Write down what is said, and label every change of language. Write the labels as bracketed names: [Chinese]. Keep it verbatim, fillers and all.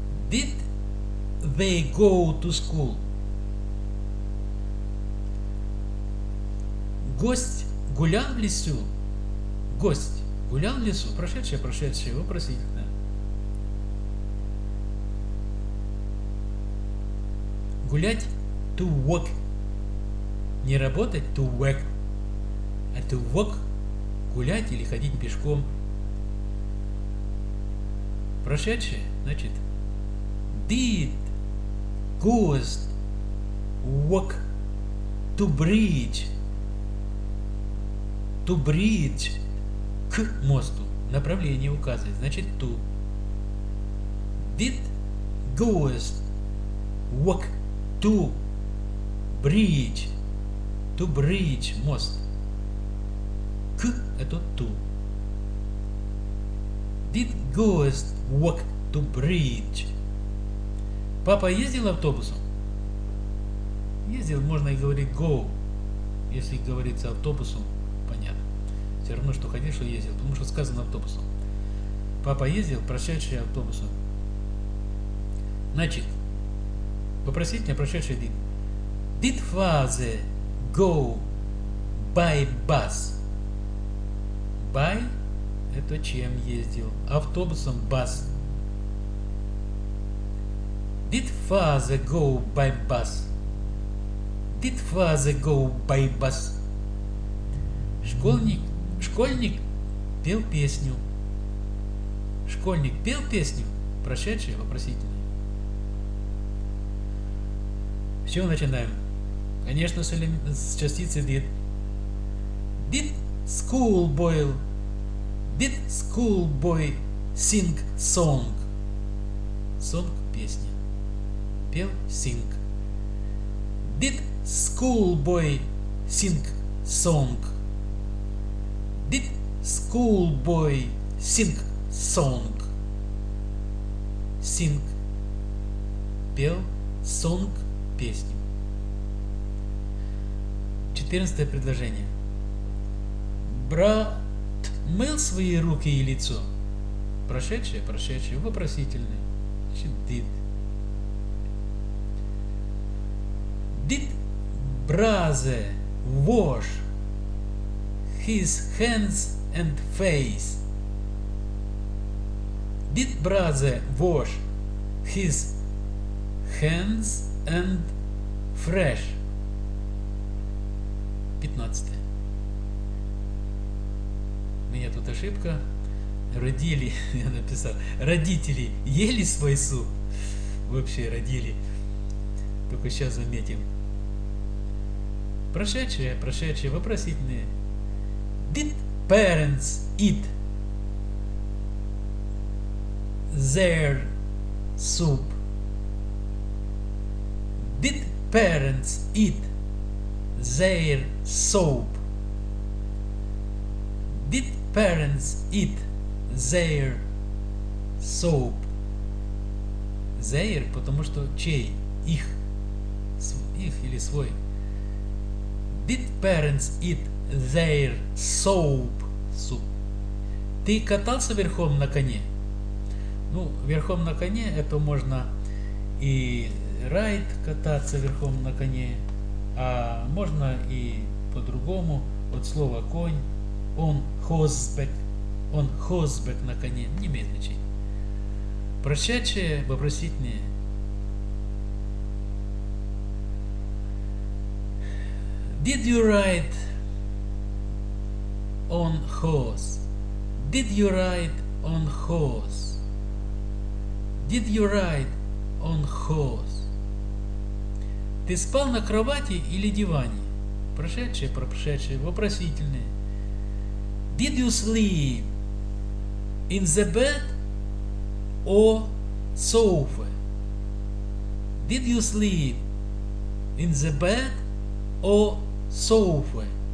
[English] Did they go to school? [Russian] Гость гулял в лесу? Гость гулял в лесу? Прошедшее, прошедшее, вопросительно. Гулять — to walk. Не работать — to work. А to walk — гулять или ходить пешком. Прошедшее, значит, [English] did ghost walk to bridge? [Russian] To bridge — к мосту. Направление указывает, значит, to. [English] Did ghost walk to bridge? [Russian] To bridge — мост. К — это to. [English] Did ghost walk to bridge? [Russian] Папа ездил автобусом? Ездил, можно и говорить go. Если говорится автобусом, понятно. Все равно, что ходил, что ездил, потому что сказано автобусом. Папа ездил, прошедший автобусом. Значит, вопросительное, прошедший did. [English] Did father go by bus? [Russian] By — это чем ездил? Автобусом, bus. [English] Did father go by bus? Did father go by bus? [Russian] Школьник, школьник пел песню. Школьник пел песню? Прошедшее, вопросительное. Все, начинаем. Конечно, с, элем- с частицей did. [English] Did schoolboy Did schoolboy sing song? [Russian] Song – песня. Пел – sing. [English] Did schoolboy sing song? Did schoolboy sing song? [Russian] Sing – пел, song – песню. Четырнадцатое предложение. Брат мыл свои руки и лицо. Прошедшее, прошедшее, вопросительное. [English] Did. Did brother wash his hands and face? Did brother wash his hands and fresh? [Russian] Пятнадцатое. У меня тут ошибка. Родили, я написал, родители ели свой суп. Вообще родили. Только сейчас заметим. Прошедшие, прошедшие, вопросительные. [English] Did parents eat their soup? Did parents eat their soup? Did parents eat their soap? [Russian] Their, потому что чей? Их. Их или свой. [English] Did parents eat their soap? Soup. [Russian] Ты катался верхом на коне? Ну, верхом на коне это можно и райд кататься верхом на коне, а можно и по-другому от слова конь. Он хозбек. Он хозбек на коне. Не имеет значения. Прошедшее, вопросительное. [English] Did you ride on horse? Did you ride on horse? Did you ride on horse? [Russian] Ты спал на кровати или диване? Прошедшее, прошедшее, вопросительное. [English] Did you sleep in the bed or sofa? Did you sleep in the bed or sofa?